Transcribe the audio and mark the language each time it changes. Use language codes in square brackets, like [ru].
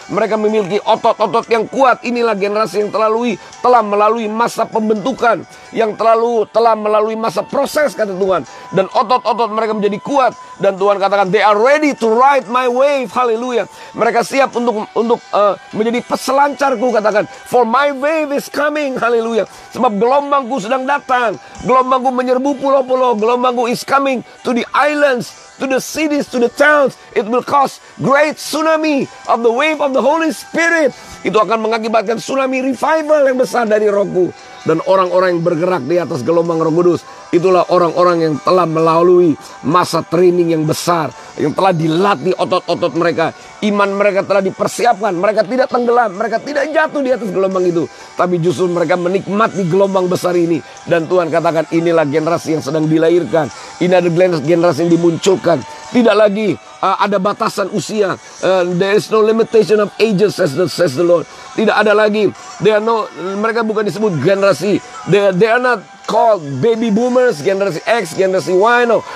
[id] Mereka memiliki otot-otot yang kuat. Inilah generasi yang telah melalui masa pembentukan. Yang telah melalui masa proses, kata Tuhan. Dan otot-otot mereka menjadi kuat. Dan Tuhan katakan, [en] they are ready to ride my wave. Haleluya. [id] Mereka siap untuk menjadi peselancarku, katakan. [en] For my wave is coming. Haleluya. [id] Sebab gelombangku sedang datang. Gelombangku menyerbu pulau-pulau. [en] Gelombangku is coming to the islands, to the cities, to the towns. It will cause great tsunami of the wave of the Holy Spirit. [id] Itu akan mengakibatkan tsunami revival yang besar dari Roh-Ku. Dan orang-orang yang bergerak di atas gelombang Roh Kudus, itulah orang-orang yang telah melalui masa training yang besar, yang telah dilatih otot-otot mereka. Iman mereka telah dipersiapkan. Mereka tidak tenggelam, mereka tidak jatuh di atas gelombang itu, tapi justru mereka menikmati gelombang besar ini. Dan Tuhan katakan, inilah generasi yang sedang dilahirkan. Ini adalah generasi yang dimunculkan. Tidak lagi ada batasan usia. [en] There is no limitation of ages, says the Lord. [id] Tidak ada lagi. Mereka bukan disebut generasi. [en] They are not called baby boomers, [id] generasi X, generasi Y, [en] no.